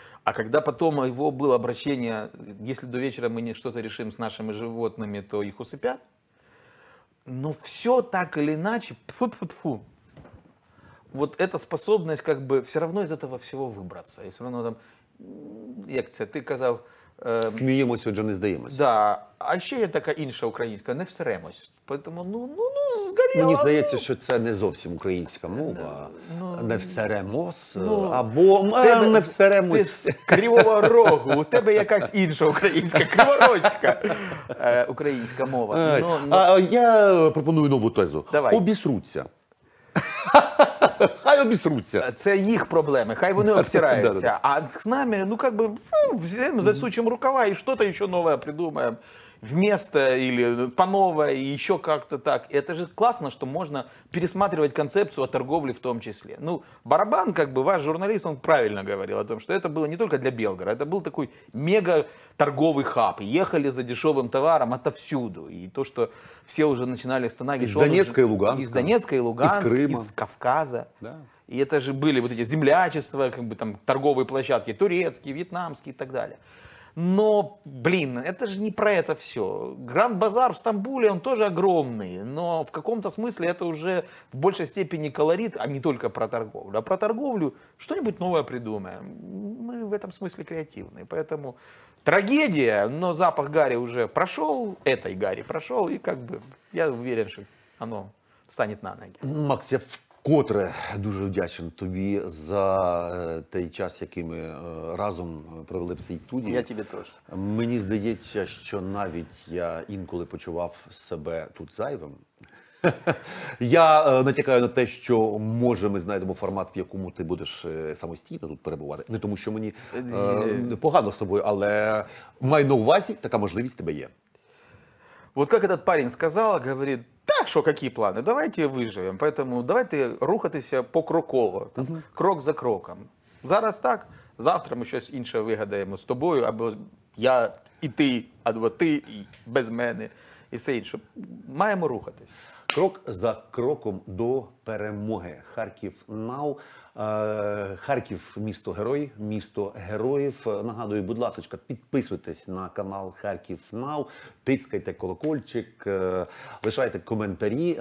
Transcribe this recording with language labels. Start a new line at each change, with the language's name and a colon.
Russian: А когда потом его было обращение, если до вечера мы не что-то решим с нашими животными, то их усыпят. Но все так или иначе, вот эта способность как бы все равно из этого всего выбраться. И все равно там, я тебе сказал,
Ukrainian: Сміємося, отже, не здаємося. Да. А ще є така інша українська, не всеремось. Тому, ну, згоріло. Мені здається, що це не зовсім українська мова. Не всеремось, ну, або не всеремось. Крівого рогу, у тебе якась інша українська, криворозька українська мова. Я пропоную нову тезу. Давай. Обісруться. Хай обісруться. Це їх проблеми, хай вони обсираються. А з нами, ну, як би, засучимо рукава і щось ще нове придумаємо.
Russian: Вместо или панове, и еще как-то так. И это же классно, что можно пересматривать концепцию о торговле в том числе. Ну, барабан, как бы, ваш журналист, он правильно говорил о том, что это было не только для Белгорода, это был такой мега-торговый хаб. Ехали за дешевым товаром отовсюду. И то, что все уже начинали останавливаться. Из Донецка и Луганска. Из Донецка и Луганска. Из Крыма. Из Кавказа. Да. И это же были вот эти землячества, как бы там торговые площадки, турецкие, вьетнамские и так далее. Но, блин, это же не про это все. Гранд-базар в Стамбуле, он тоже огромный, но в каком-то смысле это уже в большей степени колорит, а не только про торговлю. А про торговлю что-нибудь новое придумаем. Мы в этом смысле креативны. Поэтому трагедия, но запах гари уже прошел, этой гари прошел, и как бы я уверен, что оно встанет на ноги.
Ukrainian: Макс, я вкотре дуже вдячен тобі за той час, який ми разом провели в цій студії. Я тобі теж. Мені здається, що навіть я інколи почував себе тут зайвим. Я натякаю на те, що може ми знайдемо формат, в якому ти будеш самостійно тут перебувати. Не тому, що мені погано з тобою, але маю на увазі, така можливість тебе є. От як цей парень сказав, говорить: так, що, які плани? Давайте виживемо. Поэтому давайте рухатися по кроково, крок за кроком. Зараз так, завтра ми щось інше вигадаємо з тобою, або я і ти, або ти і без мене, і все інше. Маємо рухатись. Крок за кроком до перемоги. Харків нау. Харків – місто герой, місто героїв. Нагадую, будь ласка, підписуйтесь на канал Харків Нау, тицькайте колокольчик, лишайте коментарі.